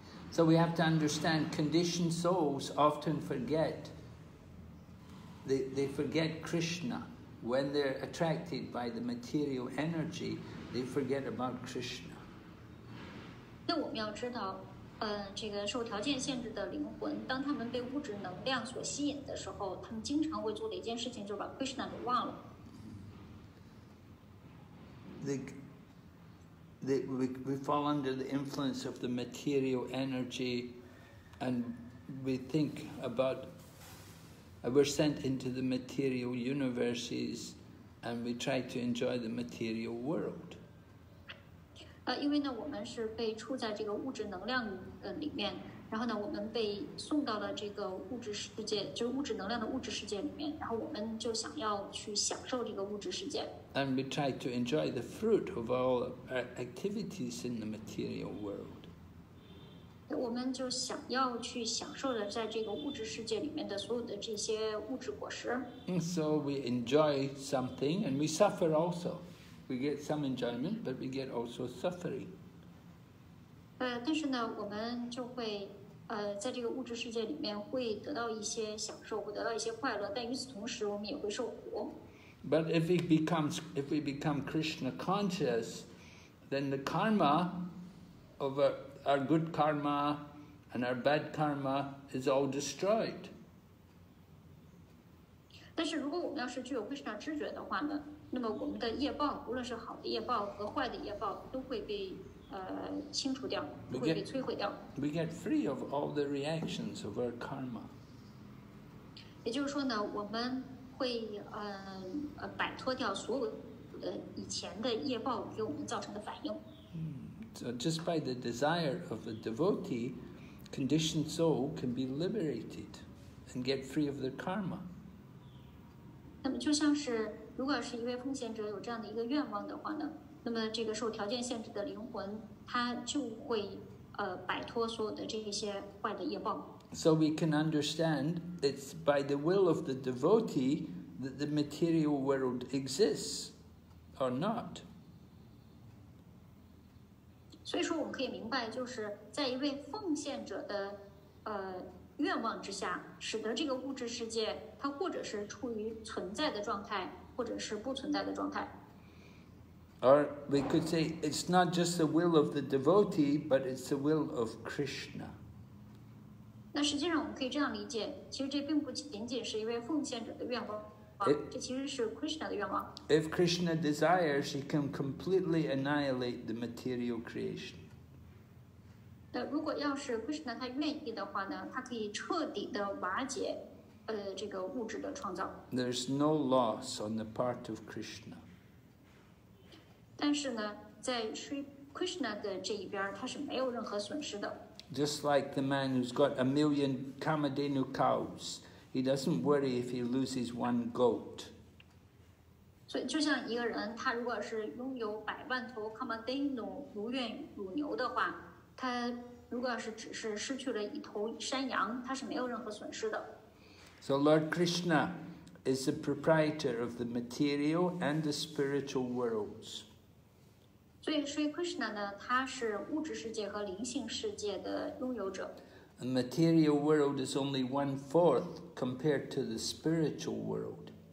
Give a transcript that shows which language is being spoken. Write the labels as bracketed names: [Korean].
[English] So we have to understand conditioned souls often forget, they forget Krishna. When they're attracted by the material energy, they forget about Krishna. [Chinese] 那我们要知道，这个受条件限制的灵魂，当他们被物质能量所吸引的时候，他们经常会做的一件事情就是把 Krishna 给忘了。 [English] We fall under the influence of the material energy, and we think about, we're sent into the material universes, and we try to enjoy the material world. [Chinese] 因为呢，我们是被处在这个物质能量里面，然后呢，我们被送到了这个物质世界，就是物质能量的物质世界里面，然后我们就想要去享受这个物质世界。 [English] And we try to enjoy the fruit of all activities in the material world. [Chinese] 我们就想要去享受的在这个物质世界里面的所有的这些物质果实。 [English] And so we enjoy something and we suffer also. We get some enjoyment, but we get also suffering. [Chinese] 但是呢，我们就会在这个物质世界里面会得到一些享受，会得到一些快乐。但与此同时，我们也会受苦。 [English] But if we become Krishna conscious, then the karma of our good karma and our bad karma is all destroyed. [Chinese] 但是如果我们要是具有 Krishna 知觉的话呢，那么我们的业报，无论是好的业报和坏的业报，都会被清除掉，会被摧毁掉。 [English] We get free of all the reactions of our karma. [Chinese] 也就是说呢，我们会摆脱掉所有以前的业报给我们造成的反应。 [English] So just by the desire of a devotee, conditioned soul can be liberated and get free of their karma. [Chinese] 那么就像是如果是一位奉献者有这样的一个愿望的话呢，那么这个受条件限制的灵魂他就会摆脱所有的这些坏的业报。 [English] So we can understand it's by the will of the devotee that the material world exists or not. [Chinese] 所以说我们可以明白，就是在一位奉献者的愿望之下，使得这个物质世界它或者是处于存在的状态，或者是不存在的状态。 [English] Or we could say it's not just the will of the devotee, but it's the will of Krishna. [Chinese] 那实际上我们可以这样理解，其实这并不仅仅是一位奉献者的愿望，这其实是 Krishna 的愿望。 [English] If Krishna desires, he can completely annihilate the material creation. [Chinese] 如果要是 Krishna 他愿意的话呢，他可以彻底的瓦解，这个物质的创造。 [English] There's no loss on the part of Krishna. [Chinese] 但是呢，在 Sri Krishna 的这一边，他是没有任何损失的。 [English] Just like the man who's got a million Kamadhenu cows, he doesn't worry if he loses one goat. [Chinese] 所以，就像一个人，他如果是拥有百万头 Kamadhenu 如愿乳牛的话。他如果要是只是失去了一头山羊，他是没有任何损失的。 [English] So Lord Krishna is the proprietor of the material and the spiritual worlds. [Chinese] 所以 Sri Krishna 呢，他是物质世界和灵性世界的拥有者。 [English] The material world is only 1/4 compared to the spiritual world.